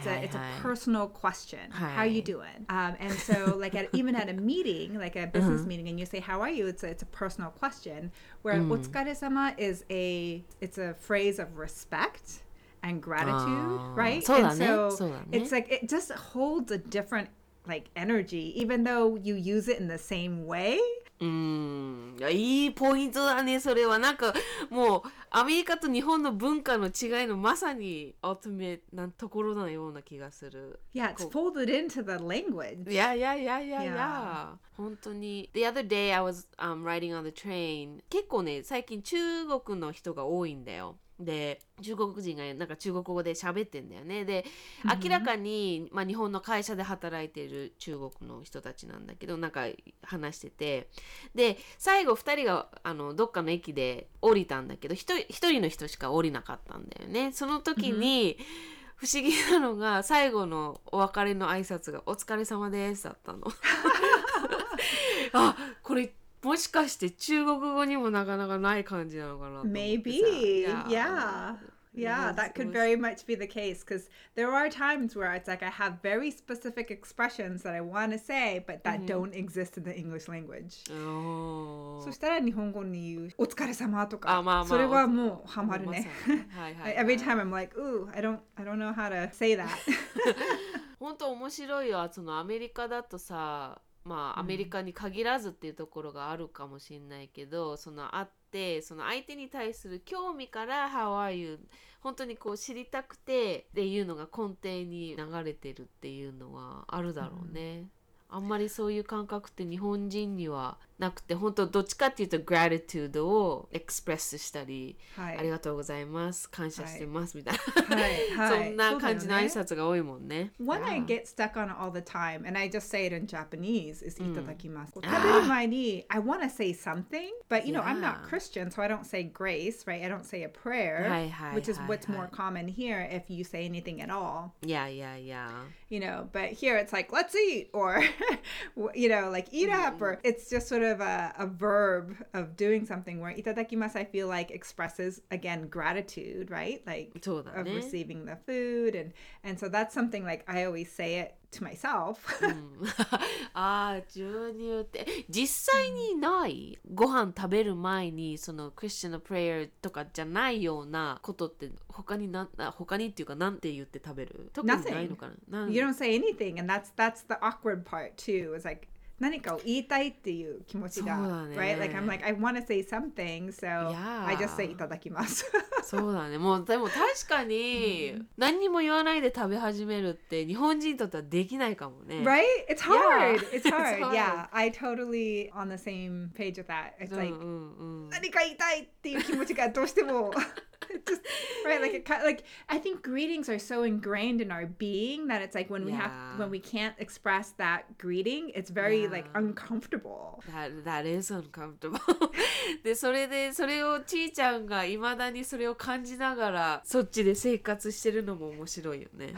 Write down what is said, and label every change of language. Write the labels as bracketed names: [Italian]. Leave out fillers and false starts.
[English] It's a personal question. How are you doing? And so like at, even at a meeting, like a business meeting and you say, how are you? It's a personal question where お疲れ様 is a it's a phrase of respect. And gratitude, right? [Japanese] そうだね。 [English] And so, it's like, it just holds a different, like, energy, even though you use it in the same way. [Japanese] うん、いいポイントだね。それはなんかもうアメリカと日本の文化の違いのまさにアルティメートなところのような気がする。 [English] Yeah, it's folded into the language. Yeah. 本当に The other day I was、riding on the train. [Japanese] 結構ね最近中国の人が多いんだよ。で中国人がなんか中国語で喋ってんだよね。で明らかに、まあ、日本の会社で働いてる中国の人たちなんだけどなんか話してて、で最後2人があのどっかの駅で降りたんだけど 1人の人しか降りなかったんだよね。その時に、不思議なのが最後のお別れの挨拶がお疲れ様ですだったの。あこれもしかして中国語にもなかなかない感じなのかなと思ってさ。 [English] Maybe Yeah, that could very much be the case because there are times where it's like I have very specific expressions that I want to say but that don't exist in the English language. Oh. [Japanese] そしたら日本語に言うお疲れ様とか、あ、まあまあ、それはもうハマるね。はいはい。 [English] Every time I'm like, ooh, I don't know how to say that. [Japanese] 本当面白いよ。そのアメリカだとさ、まあアメリカに限らずっていうところがあるかもしれないけど、そのあでその相手に対する興味から [English] How are you? [Japanese] 本当にこう知りたくてっていうのが根底に流れてるっていうのはあるだろうね。あんまりそういう感覚って日本人にはなくて、本当どっちかっていうとグラティトゥードをエクスプレスしたり、はい、ありがとうございます、感謝してますみたいな、はいはいはい、そんな感じの挨拶が多いもんね。 [English] One、yeah. I get stuck on all the time, and I just say it in Japanese, is いただきます。 [Japanese] 食べる前に、 [English] I want to say something, but you know,、yeah. I'm not Christian, so I don't say grace, right? I don't say a prayer,、はいはい、 which is、はい、 what's more common here if you say anything at all. Yeah, yeah, yeah. You know, but here it's like, let's eat, or, you know, like, eat、mm. up, or it's just sort ofa verb of doing something where itadakimasu I feel like expresses again gratitude, right? Like、 [Japanese] ね、 [English] of receiving the food and so that's something like I always say it to myself. [Japanese] Ah, 授乳って実際にない、mm. ご飯食べる前にそのクリスチャンのプレイヤーとかじゃないようなことって他にな他にっていうかなんて言って食べる特にないのかな、 [English] Nothing. You don't say anything and that's the awkward part too. It's like, [Japanese] 何かを言いたいっていう気持ちが、ね、 [English] right? Like I'm like I want to say something, so、 yeah. I just say いただきます。 [Japanese] そうだね。もうでも確かに何にも言わないで食べ始めるって日本人にとってはできないかもね。 [English] Right? It's hard.、Yeah. It's hard. It's hard. Yeah. I totally on the same page with that. It's like、 [Japanese] うんうんうん、何か言いたいっていう気持ちがどうしても。 [English] Just, right, like I think greetings are so ingrained in our being that it's like when we、yeah. have when we can't express that greeting, it's very、yeah. like uncomfortable. That is uncomfortable. [Japanese] でそれでそれをちーちゃんが未だにそれを感じながらそっちで生活してるのも面白いよね。